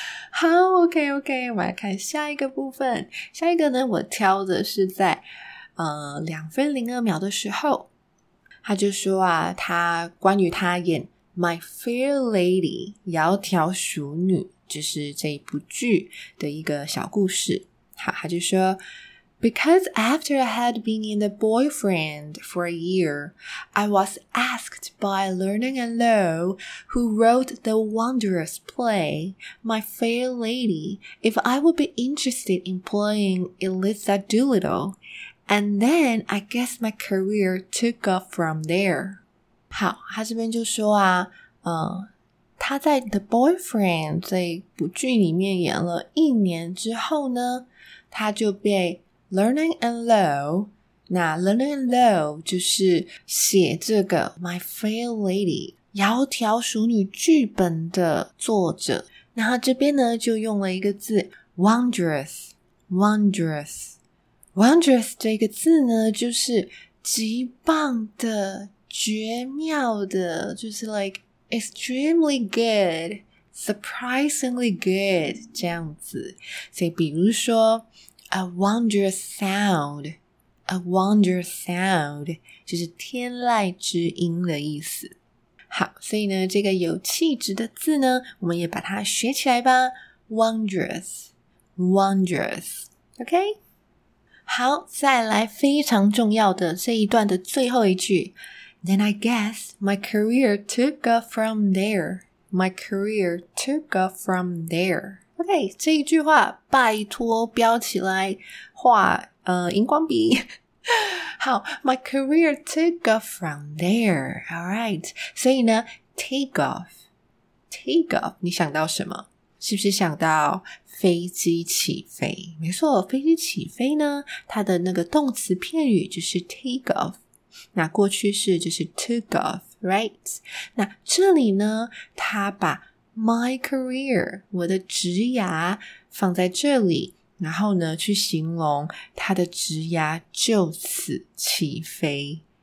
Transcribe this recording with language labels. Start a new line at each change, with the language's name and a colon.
Chinese: 好， OK OK， 我们来看下一个部分。下一个呢，我挑的是在2分02秒的时候，他就说啊，他关于他演 My Fair Lady 窈窕淑女，就是这一部剧的一个小故事。好，他就说
English: Because after I had been in the boyfriend for a year, I was asked by Learning and Low, who wrote the wondrous play My Fair Lady, if I would be interested in playing Eliza Doolittle. And then, I guess my career took off from there.
Chinese: 好，他这边就说啊，他在 The Boyfriend 这一部剧里面演了一年之后呢，他就被 Learning and Low， 那 Learning and Low 就是写这个 My Fair Lady 窈窕淑女剧本的作者，然后这边呢就用了一个字 wondrous， wondrous。 Wondrous 这个字呢，就是极棒的、绝妙的，就是
English: like extremely good, surprisingly good
Chinese: 这样子。所以比如说
English: a wondrous sound, a wondrous sound
Chinese: 就是天籁之音的意思。好，所以呢，这个有气质的字呢，我们也把它学起来吧。
English: Wondrous, wondrous, OK?
Chinese: 好，再来非常重要的这一段的最后一句。
English: Then I guess my career took off from there. My career took off from there.
Chinese: OK, 这一句话拜托标起来画荧光笔。
English: 好 ,my career took off from there, alright,
Chinese: 所以呢
English: take off,
Chinese: 你想到什么？是不是想到飞机起飞？没错，飞机起飞呢，它的那个动词片语就是 take off, 那过去式就是 took off, right? 那这里呢，它把 my career, 我的职涯放在这里，然后呢去形容他的职涯就此起飞。